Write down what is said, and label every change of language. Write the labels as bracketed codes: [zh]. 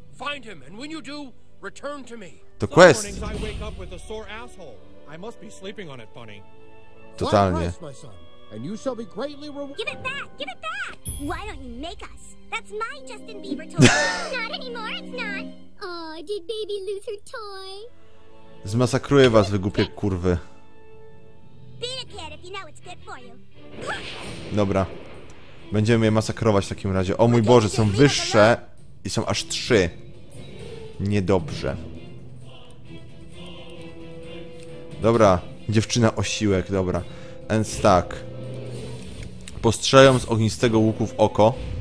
[en] Find him, and when you do, return to me. The quest. Some mornings I wake up with a sore asshole. I must be sleeping on it, bunny. [pl] Totalnie. [en] Find Christ, my son, and you shall be greatly rewarded. Give it back! Give it back! Why don't you make us? That's my Justin Bieber toy. Not anymore, it's not. Oh, did baby lose her toy? [pl] Zmasakruję was, wy głupie kurwy. [en] Beat a kid if you know it's good for you. [pl] Dobra. Będziemy je masakrować w takim razie. O mój Boże, są wyższe i są aż trzy. Niedobrze. Dobra, dziewczyna osiłek, dobra. Więc tak. Postrzelam z ognistego łuku w oko.